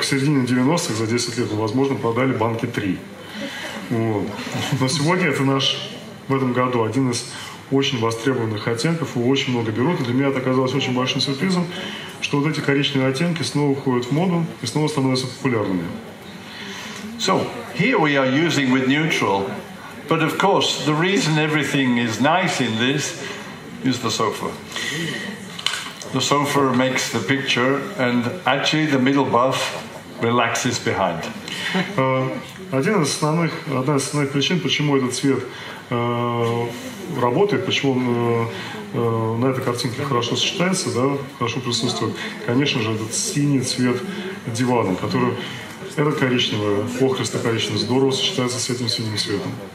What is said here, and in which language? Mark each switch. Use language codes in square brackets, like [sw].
[ru] К середине 90-х, за 10 лет, мы, возможно, продали банки 3. Вот. Но сегодня это наш, в этом году, один из очень востребованных оттенков, его очень много берут. И для меня это оказалось очень большим сюрпризом, что вот эти коричневые оттенки снова входят в моду и снова становятся популярными. [en] So, here we are using with neutral, but of course, the reason everything is nice in this is the sofa. The sofa makes the picture, and actually the middle buff relaxes behind. [ru] Одна из основных причин, почему этот цвет работает, почему он на этой картинке хорошо сочетается, да, хорошо присутствует, конечно же, этот синий цвет дивана, который это коричневое, охристо-коричневое, здорово сочетается с этим синим цветом.